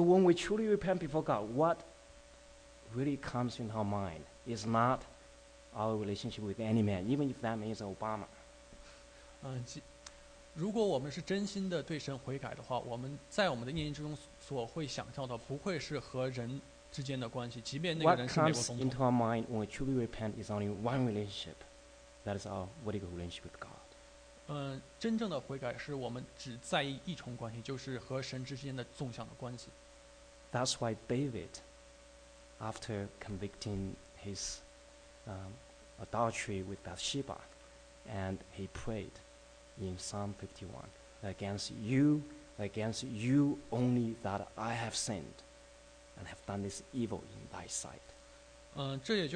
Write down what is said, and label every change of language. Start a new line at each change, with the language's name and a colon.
English: when we truly repent before God, what really comes in our mind is not our relationship with any man, even if that means Obama.
Chinese: 如果我们是真心的对神悔改的话，我们在我们的念经中所会想象的不会是和人之间的关系，即便那个人是美国总统。
English: What comes into our mind when we truly repent is only one relationship, that is our vertical relationship with God.
Chinese: 真正的悔改是我们只在意一重关系，就是和神之间的纵向的关系。
English: That's why David, after convicting his adultery with Bathsheba, and he prayed in Psalm 51, against you only that I have sinned and have done this evil in thy sight.